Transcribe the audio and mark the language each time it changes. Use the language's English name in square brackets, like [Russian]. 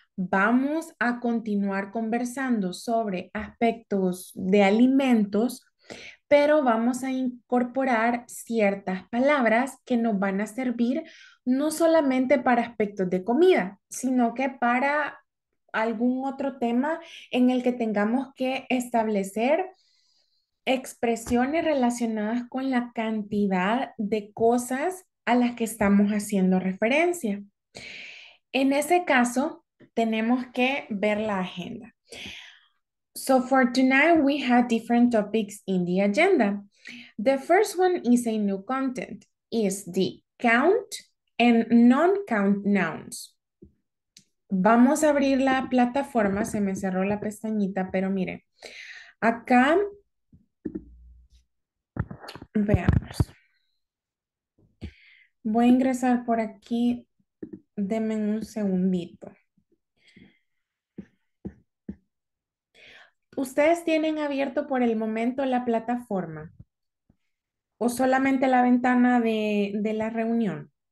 [Spanish] Vamos a continuar conversando sobre aspectos de alimentos, pero vamos a incorporar ciertas palabras que nos van a servir no solamente para aspectos de comida, sino que para algún otro tema en el que tengamos que establecer expresiones relacionadas con la cantidad de cosas a las que estamos haciendo referencia. En ese caso, tenemos que ver la agenda. [English] So for tonight, we have different topics in the agenda. The first one is a new content, is the count and non-count nouns. [Spanish] Vamos a abrir la plataforma, se me cerró la pestañita, pero mire, acá veamos. Voy a ingresar por aquí. Denme ¿Ustedes tienen abierto por el momento la plataforma o solamente la ventana de la reunión?